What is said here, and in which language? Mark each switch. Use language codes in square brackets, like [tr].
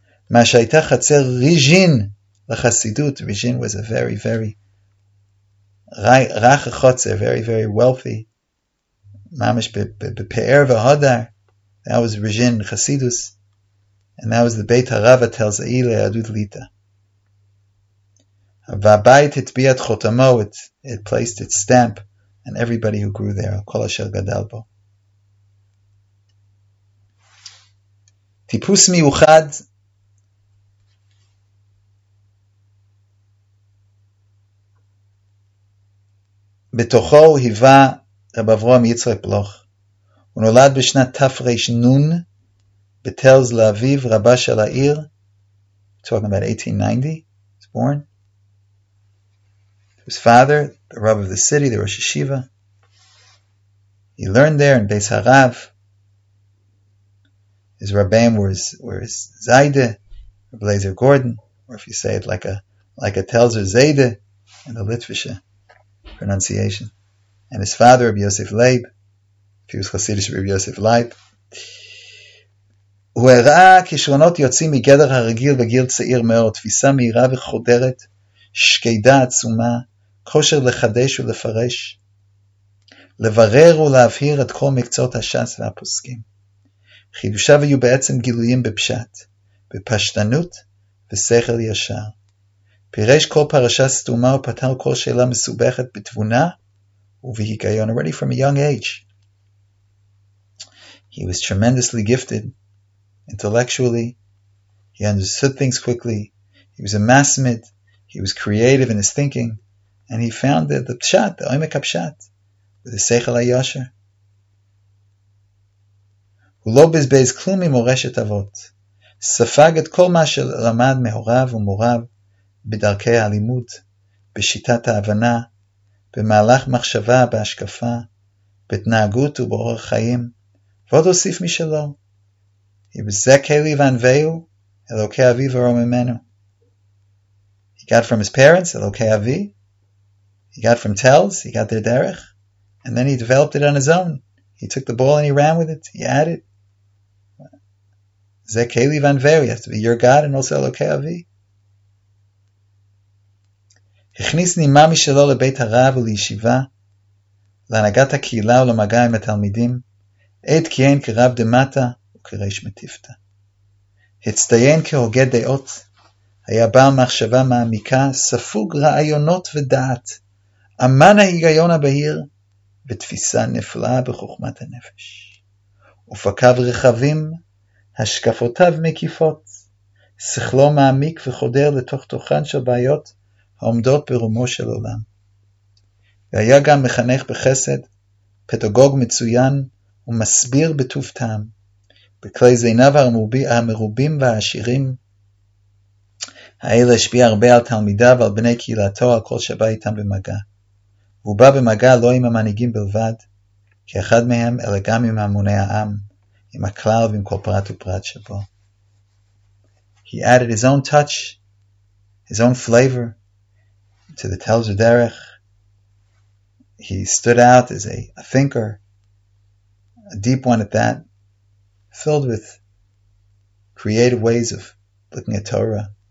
[he] מה שהייתה חצר ריג'ין לחסידות, ריג'ין [en] was a very very [he] רח החוצה, [en] very very wealthy, [he] ממש בפאר והודר, [en] that was [he] ריג'ין, חסידוס, [en] and that was the [he] בית הרב התלזאי ליהדות ליטה. והבית הטביע את חותמו, [en] it placed its stamp, and everybody who grew there, [he] כל אשר גדל בו. טיפוס מיוחד, בתוכו הוא היווה רב אברהם יצחק בלוך. הוא נולד בשנת תפרש נון, בתלז לאביב רבה של העיר, [en] talking about 1890, he was born. His father, the rab of the city, the Rosh Yeshiva. He learned there in Beis Harav. His rabbeim were his Zayde, Rav Lezer Gordon, or if you say it like a Telzer Zayde in the Litvisha pronunciation. And his father, Rabbi Yosef Leib, if he was Hasidish, Rabbi Yosef Leib. [he] הוא הראה כישרונות יוצאים מגדר הרגיל בגיל צעיר מאוד, תפיסה מהירה וחודרת, שקידה עצומה, כושר לחדש ולפרש, לברר ולהבהיר את כל מקצועות השס והפוסקים. חידושיו היו בעצם גילויים בפשט, בפשטנות ושכל ישר. פירש כל פרשה סתומה ופתר כל שאלה מסובכת בתבונה ובהיגיון. [en] Already from a young age, he was tremendously gifted intellectually. He understood things quickly. He was a masmid. He was creative in his thinking. And he found the pshat, the oimek hapshat, with the seichel ha-yosher. [he] הוא לא בזבז כלום ממורשת אבות, ספג את כל מה שלמד מהוריו ומוריו בדרכי הלימוד, בשיטת ההבנה, במהלך מחשבה, בהשקפה, בתנהגות ובאורח חיים, ועוד הוסיף משלו. [en] He was Zekeli Vanveu, Eloke Avi Varomimenu. He got from his parents, Eloke Avi. He got from Tells, he got their derech. And then he developed it on his own. He took the ball and he ran with it. He added. Zekeli Vanveu, you have to be your God and also Eloke Avi. [he] הכניס נימה משלו לבית הרב ולישיבה, להנהגת הקהילה ולמגע עם התלמידים, עת כיהן כרב דמטה, קריש מטיפתה. הצטיין כהוגה דעות, היה בעל מחשבה מעמיקה, ספוג רעיונות ודעת, אמן ההיגיון הבהיר, ותפיסה נפלאה בחוכמת הנפש. אופקיו רחבים, השקפותיו מקיפות, שכלו מעמיק וחודר לתוך תוכן של בעיות העומדות ברומו של עולם. והיה גם מחנך בחסד, פדגוג מצוין ומסביר בטוב טעם. בכלי זיניו המרובים והעשירים האלה השפיע הרבה על תלמידיו ועל בני קהילתו, על כל שבא איתם במגע. הוא בא במגע לא עם המנהיגים בלבד, כאחד מהם, אלא גם עם המוני העם, עם הכלל ועם כל פרט ופרט שבו. [en] He added his own touch, his own flavor to the Tel Zederech. He stood out as a thinker, a deep one at that, filled with creative ways of looking at Torah.